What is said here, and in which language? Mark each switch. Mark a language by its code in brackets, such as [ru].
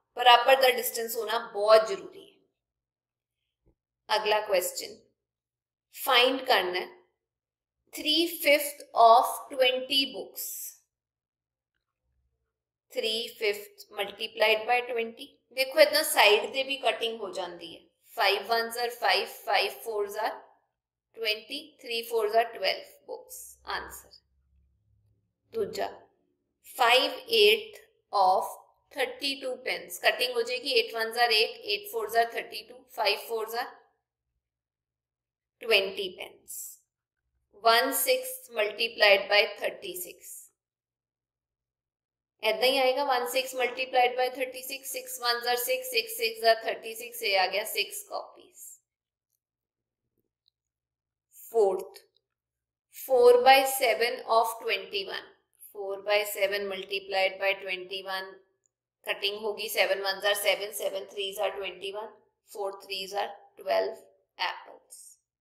[pa] ਬਰਾਬਰ ਦਾ ਡਿਸਟੈਂਸ ਹੋਣਾ ਬਹੁਤ ਜ਼ਰੂਰੀ ਹੈ। ਅਗਲਾ ਕੁਐਸਚਨ ਫਾਈਂਡ ਕਰਨਾ, [en] 3/5 of 20 books, 3/5 multiplied by 20। [pa] ਦੇਖੋ ਇੱਦਾਂ ਸਾਈਡ ਤੇ ਵੀ ਕਟਿੰਗ ਹੋ ਜਾਂਦੀ ਹੈ, [en] 5 ones are 5, 5 fours are 20, 3 fours are 12 books, answer. Dujja, 5/8 of 32 pens, [pa] cutting ho jayegi, [en] 8 ones are 8, 8 fours are 32, 5 fours are 20 pens. 1/6 multiplied by 36, [pa] ਇੱਦਾਂ ਹੀ ਆਏਗਾ, [en] 1/6 multiplied by 36, 6 ones are 6, 6 6 are 36, [pa] ਇਹ ਆ ਗਿਆ 6 copies. [en] 4th, 4 by 7 of 21, 4 by 7 multiplied by 21, [pa] cutting ho gi, [en] 7 ones are 7, 7 threes are 21, 4 threes are 12 apples.